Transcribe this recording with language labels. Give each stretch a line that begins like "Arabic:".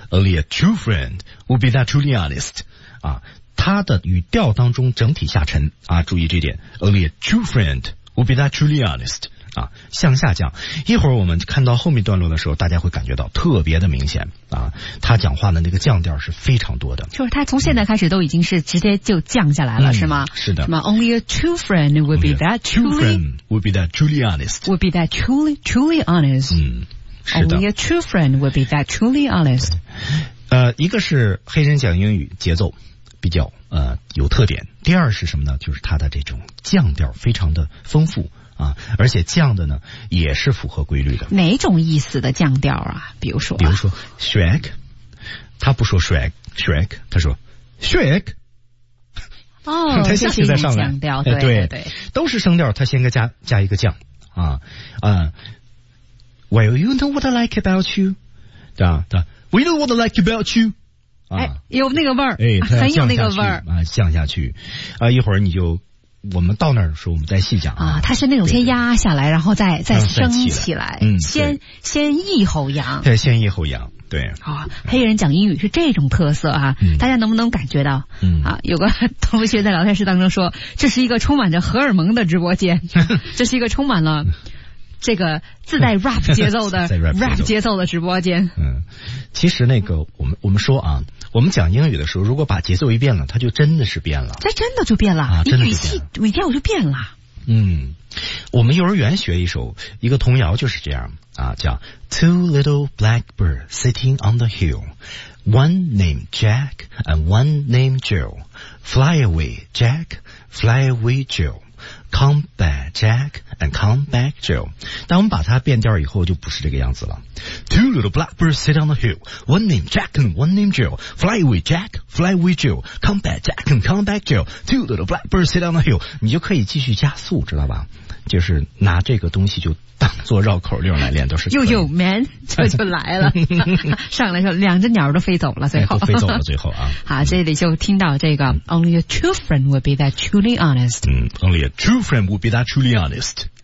English: Only a true friend will be that truly honest
Chinese: 啊，它的语调当中整体下沉啊，注意这点。
English: Only a true friend will be that truly honest。
Chinese: 啊，向下降。一会儿我们看到后面段落的时候，大家会感觉到特别的明显啊，他讲话的那个降调是非常多的。就是他从现在开始都已经是直接就降下来了，嗯、是吗？是的。什么
English: ？Only a true friend would be that truly friend would be that truly honest would be that truly truly honest。
Chinese: 嗯，是的。
English: Only a true friend would be that truly honest。
Chinese: 一个是黑人讲英语节奏比较有特点，第二是什么呢？就是他的这种降调非常的丰富。啊，而且降的呢也是符合规律的。哪种意思的降调啊？比如说、啊、比如说 Shrek， 他不说 Shrek， 他说 Shrek。哦，他先行再上来降调。对，对，都是声调，他先加一个降啊。
English: Well you know what I like about you，
Chinese: 对吧、
English: 啊、We know what I like about you。
Chinese: 哎，有那个味儿、哎、很有那个味儿啊，降下去啊，一会儿你就，我们到那儿的时候我们再细讲啊，它是那种先压下来，然后再升起来、嗯、先抑喉扬，对，先抑喉扬，对、哦、黑人讲英语是这种特色啊、嗯、大家能不能感觉到、嗯、啊，有个同学在聊天室当中说，这是一个充满着荷尔蒙的直播间，这是一个充满了这个自带 rap 节奏的
English: rap
Chinese: 节奏的直播间。嗯，其实那个我们说啊，我们讲英语的时候，如果把节奏一变了，它就真的是变了。这真的就变了啊，真的语气语调就变了。嗯，我们幼儿园学一个童谣就是这样啊，叫
English: Two little blackbirds sitting on the hill, one named Jack and one named Jill, fly away Jack, fly away Jill, come back Jack and come back Jill。
Chinese: 但我们把它变调以后就不是这个样子了。
English: Two little blackbirds sit on the hill, one named Jack and one named Jill, fly away Jack, fly away Jill, come back Jack and come back Jill, two little blackbirds sit on the hill。
Chinese: 你就可以继续加速，知道吧，就是拿这个东西就当做绕口令来练，都是又有 man 就来了。上来说两只鸟都飞走了，最后、哎、都飞走了最后啊。好，这里就听到这个、
English: 嗯、Only a true friend will be that truly honest、嗯、Only a true friend will be that truly honest，